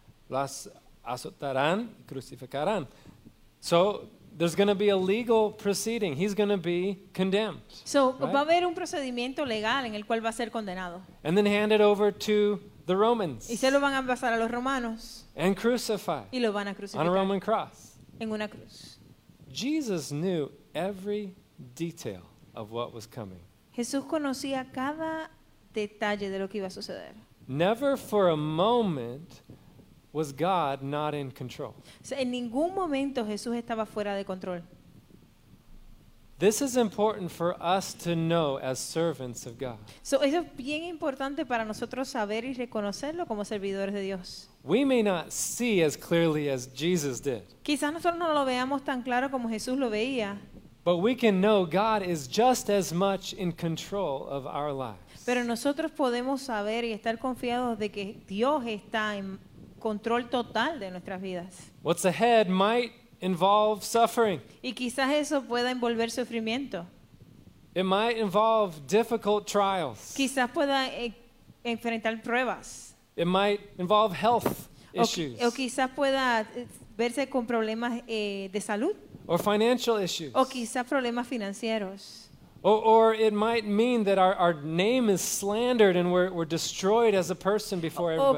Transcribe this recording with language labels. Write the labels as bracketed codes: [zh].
[es] Las azotarán y crucificarán. [en] So, there's going to be a legal proceeding. He's going to be condemned. So, right? [es] Va a haber un procedimiento legal en el cual va a ser condenado. [en] And then handed over to the Romans. [es] Y se lo van a pasar a los romanos. [en] And crucified. [es] Y lo van a crucificar. [en] On a Roman cross. [es] En una cruz. [en] Jesus knew every detail of what was coming. [es] Jesús conocía cada detalle de lo que iba a suceder. [en] Never for a moment was God not in control. [es] En ningún momento Jesús estaba fuera de control. [en] This is important for us to know as servants of God. [es] So eso es bien importante para nosotros saber y reconocerlo como servidores de Dios. [en] We may not see as clearly as Jesus did. [es] Quizás nosotros no lo veamos tan claro como Jesús lo veía. [en] But we can know God is just as much in control of our lives. [es] Pero nosotros podemos saber y estar confiados de que Dios está en control total de nuestras vidas. [en] What's ahead might involve suffering. [es] Y quizás eso pueda envolver sufrimiento. [en] It might involve difficult trials. [es] Quizás pueda enfrentar pruebas. [en] It might involve health issues. [es] O quizás pueda verse con problemas de salud. [en] Or financial issues. [es] O quizás problemas financieros. [en] Or it might mean that our name is slandered and we're destroyed as a person before everybody.